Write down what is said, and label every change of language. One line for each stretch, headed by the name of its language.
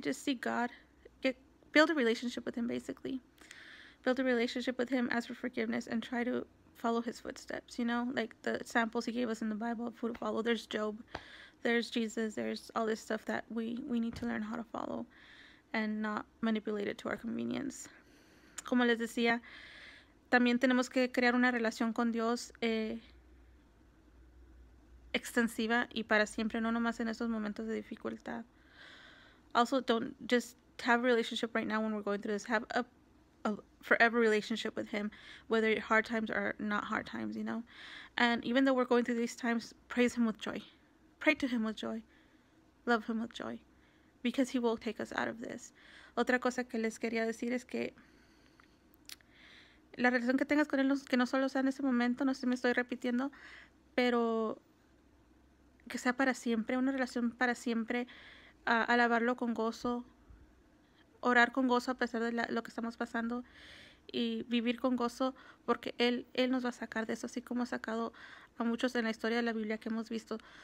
English: Just seek God, build a relationship with him, basically build a relationship with him, ask for forgiveness, and try to follow his footsteps, you know, like the samples he gave us in the Bible of who to follow. There's Job, there's Jesus, there's all this stuff that we need to learn how to follow and not manipulate it to our convenience.
Spanish: Como les decía, también tenemos que crear una relación con Dios extensiva y para siempre, no nomás en estos momentos de dificultad.
English: Also, don't just have a relationship right now when we're going through this. Have a forever relationship with him, whether hard times or not hard times, you know. And even though we're going through these times, praise him with joy, pray to him with joy, love him with joy, because he will take us out of this.
Spanish: Otra cosa que les quería decir es que la relación que tengas con él, que no solo sea en ese momento, no sé si me estoy repitiendo, pero que sea para siempre, una relación para siempre, alabarlo con gozo, orar con gozo a pesar de lo que estamos pasando y vivir con gozo, porque él nos va a sacar de eso, así como ha sacado a muchos en la historia de la Biblia que hemos visto.